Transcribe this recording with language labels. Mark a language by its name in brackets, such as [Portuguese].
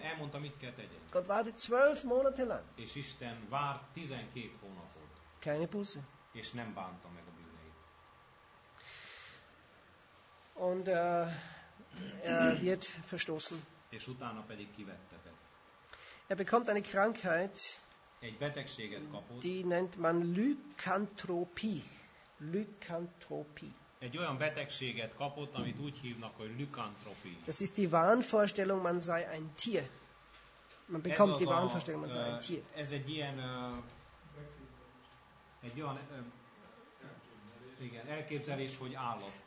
[Hungarian] Elmondta, mit kell tegyen. [German] Gott wartet 12 Monate lang. [Hungarian] És Isten várt 12 hónapot. [German] Keine Buße. [Hungarian] És nem bánta meg a bűneit. [German] Und er wird verstoßen. [Hungarian] És utána pedig kivettetett. [German] Er bekommt eine Krankheit. [Hungarian] Egy betegséget kapott. [German] Die nennt man Lykantropie. Lykantropie. [Hungarian] Egy olyan betegséget kapott, amit úgy hívnak, hogy lykantropie. [German] Das ist die Wahnvorstellung, man sei ein Tier. Man bekommt die Wahnvorstellung, man sei ein Tier. [Hungarian] Ez egy ilyen elképzelés, hogy állat.